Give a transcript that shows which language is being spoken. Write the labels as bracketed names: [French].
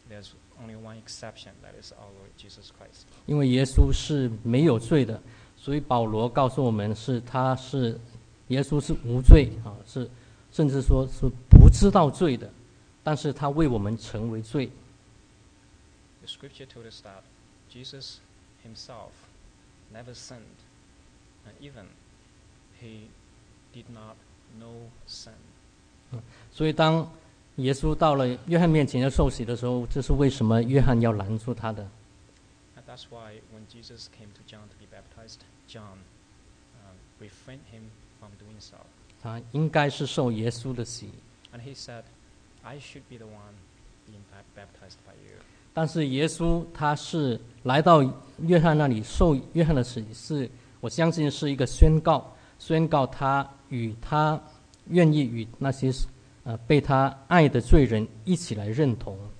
[English] There's only one exception, that is our Lord Jesus Christ. [Chinese] 因为耶稣是没有罪的，所以保罗告诉我们是他是耶稣是无罪啊，是甚至说是不知道罪的，但是他为我们成为罪。 [English] The scripture told us that Jesus himself never sinned, and even he did not know sin. [Chinese] 所以当耶稣到了约翰面前要受洗的时候，这是为什么约翰要拦住他的。 [English] And that's why when Jesus came to John to be baptized, John refrained him from doing so. [Chinese] 他应该是受耶稣的洗。 [English] And he said, I should be the one being baptized by you. [Chinese] 但是耶稣他是来到约翰那里受约翰的洗，是我相信是一个宣告。宣告他与他愿意与那些被他爱的罪人一起来认同。